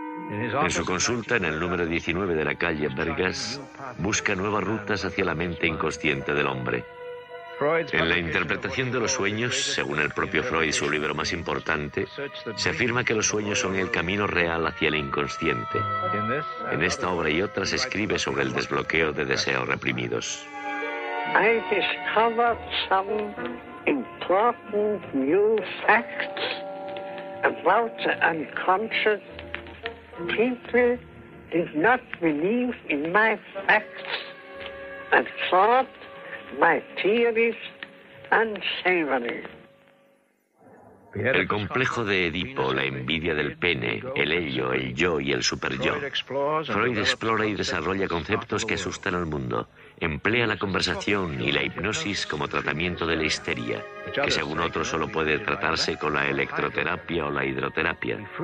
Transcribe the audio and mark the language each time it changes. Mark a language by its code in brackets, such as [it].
[es] En su consulta, en el número 19 de la calle Bergas, busca nuevas rutas hacia la mente inconsciente del hombre. En la interpretación de los sueños, según el propio Freud, su libro más importante, se afirma que los sueños son el camino real hacia el inconsciente. En esta obra y otras escribe sobre el desbloqueo de deseos reprimidos. [en] I discovered some important new facts about the unconscious. People did not believe in my facts and thought my theories unsavory. [es] El complejo de Edipo, la envidia del pene, el ello, el yo y el superyo. Freud explora y desarrolla conceptos que asustan al mundo. Emplea la conversación y la hipnosis como tratamiento de la histeria, que según otros solo puede tratarse con la electroterapia o la hidroterapia.